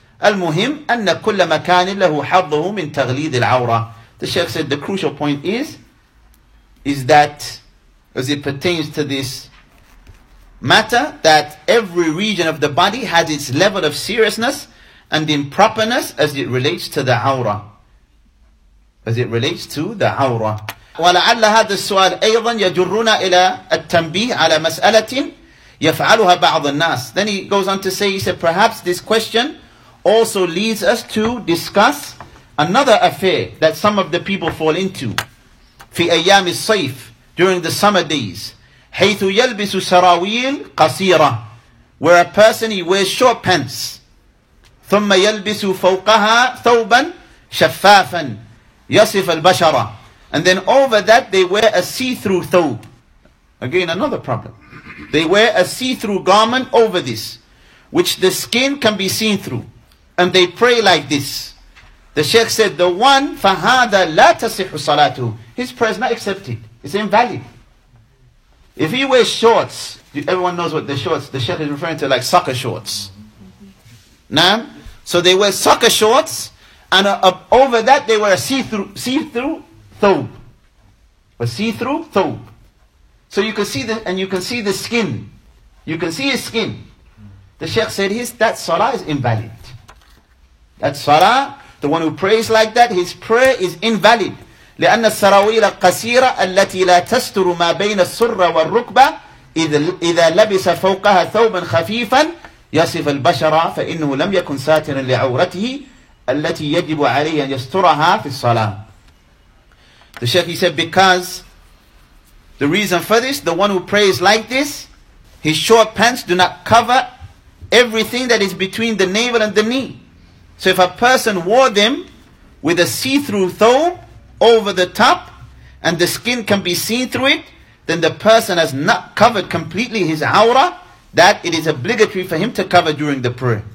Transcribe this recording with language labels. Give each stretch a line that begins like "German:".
Arabic: المهم أن كل مكان له حظه من تغليظ العورة.
English: The Shaykh said the crucial point is that as it pertains to this matter, that every region of the body has its level of seriousness and improperness as it relates to the awra. As it relates to the awra.
Arabic: ولعل هذا السؤال أيضا يجرنا إلى التنبيه على مسألة يفعلها بعض الناس.
English: Then he goes on to say, he said, perhaps this question also leads us to discuss another affair that some of the people fall into.
Arabic: في أيام الصيف,
English: during the summer days.
Arabic: حيث يلبس سراويل قصيرة,
English: where a person he wears short pants.
Arabic: ثم يلبس فوقها ثوبا شفافا يصف البشرة.
English: And then over that they wear a see-through thobe. Again, another problem. They wear a see-through garment over this, which the skin can be seen through. And they pray like this. The Shaykh said, the one,
Arabic: فَهَذَا لَا تَصِحُ صَلَاتُهُ.
English: His prayer is not accepted. It's invalid. If he wears shorts, everyone knows what the shorts, the Shaykh is referring to like soccer shorts. Naam? So they wear soccer shorts, and over that they wear a see-through thobe. A see-through thobe. So you can see the, and you can see the skin. You can see his skin. The Shaykh said, that salah is invalid. That salah, the one who prays like that, his prayer is invalid.
Arabic: لأن السراويل قصيرة التي لا تستر ما بين السرة والركبة إذا لبس فوقها ثوبا خفيفا يصف البشرة فإنه لم يكن ساترا لعورته التي يجب عليه أن يسترها في الصلاة.
English: The Sheikh, he said, because the reason for this, the one who prays like this, his short pants do not cover everything that is between the navel and the knee. So if a person wore them with a see-through thobe over the top and the skin can be seen through it, then the person has not covered completely his awrah that it is obligatory for him to cover during the prayer.